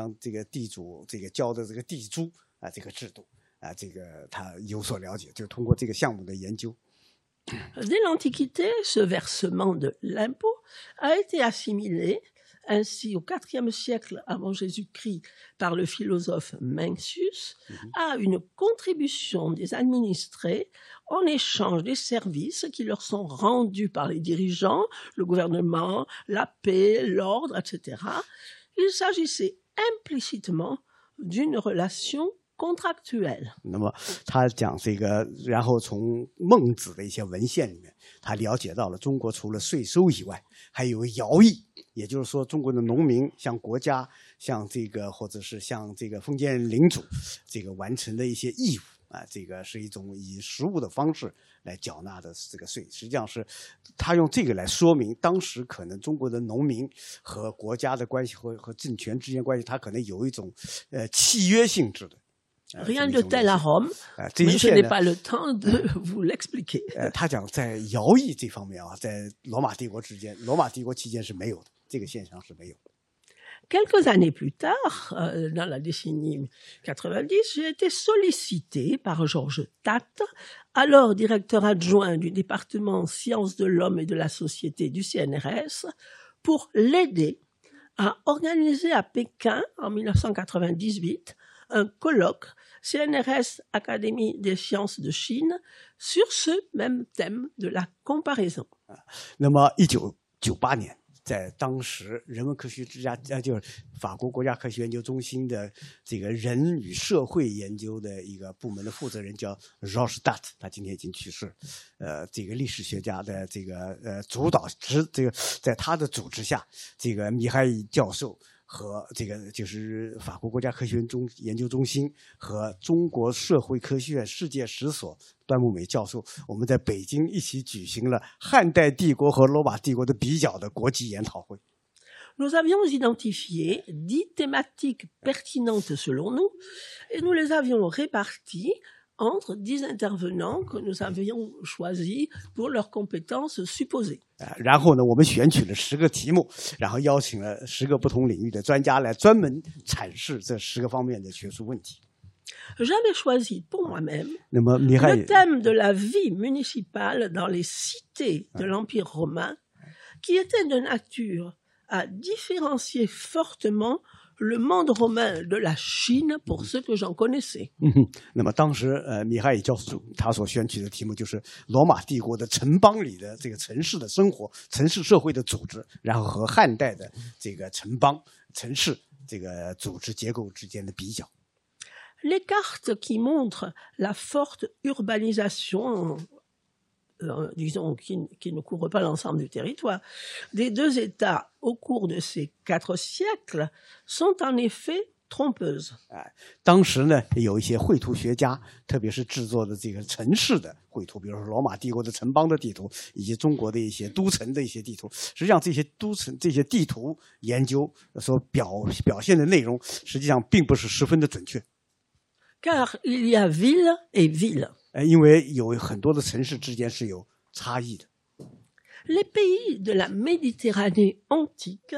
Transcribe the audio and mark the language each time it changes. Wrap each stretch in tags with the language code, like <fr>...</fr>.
<zh>像这个地主这个交的这个地租啊，这个制度啊，这个他有所了解，就通过这个项目的研究。</zh> <fr>Dès l'Antiquité, ce versement de l'impôt a été assimilé ainsi au IVe siècle avant Jésus-Christ par le philosophe Mencius à une contribution des administrés en échange des services qui leur sont rendus par les dirigeants, le gouvernement, la paix, l'ordre, etc. Il s'agissait implicitement d'une relation contractuelle.</fr> <zh>那么他讲这个，然后从孟子的一些文献里面，他了解到了中国除了税收以外，还有徭役，也就是说中国的农民向国家，向这个或者是向这个封建领主，这个完成的一些义务。啊，这个是一种以实物的方式来缴纳的这个税，实际上是他用这个来说明当时可能中国的农民和国家的关系和政权之间关系，他可能有一种契约性质的。</zh> <fr>Rien de tel à Rome. Mais je n'ai pas le temps de vous l'expliquer.</fr> <zh>他讲在徭役这方面啊，在罗马帝国之间，罗马帝国期间是没有的，这个现象是没有。</zh> <fr>Quelques années plus tard, dans la décennie 90, j'ai été sollicité par Georges Tate, alors directeur adjoint du département Sciences de l'Homme et de la Société du CNRS, pour l'aider à organiser à Pékin, en 1998, un colloque CNRS Académie des Sciences de Chine sur ce même thème de la comparaison.</fr> <zh>那么1998年。在当时人文科学之家，就是法国国家科学研究中心的这个人与社会研究的一个部门的负责人叫 Georges Tate， 他今天已经去世。这个历史学家的这个主导之这个在他的组织下，这个米哈伊教授和这个就是法国国家科学研究中心和中国社会科学院世界史所端木美教授，我们在北京一起举行了汉代帝国和罗马帝国的比较的国际研讨会。</zh> <fr>Nous avions identifié 10 thématiques pertinentes selon nous et nous les avions réparties entre 10 intervenants que nous avions choisis pour leurs compétences supposées.</fr> <zh>然后呢，我们选取了10个题目，然后邀请了10个不同领域的专家来专门阐释这10个方面的学术问题。</zh> <fr>J'avais choisi pour moi-même</fr> <zh>那么米哈伊</zh> <fr>le thème de la vie municipale dans les cités de l'Empire romain qui était de nature à différencier fortement le monde romain de la Chine pour ceux que j'en connaissais.</fr> <zh>那么当时米哈伊教授他所选取的题目就是罗马帝国的城邦里的这个城市的生活，城市社会的组织，然后和汉代的这个城邦城市这个组织结构之间的比较。</zh> <fr>Les cartes qui montrent la forte urbanisation, disons, qui ne couvre pas l'ensemble du territoire, des deux États au cours de ces 4 siècles sont en effet trompeuses.</fr> <zh>当时呢，有一些绘图学家，特别是制作的这个城市的绘图，比如说罗马帝国的城邦的地图，以及中国的一些都城的一些地图。实际上，这些都城这些地图研究所表现的内容，实际上并不是十分的准确。</zh> <fr>Car il y a ville et ville.</fr> <zh>因为有很多的城市之间是有差异的。</zh> <fr>Les pays de la Méditerranée antique</fr>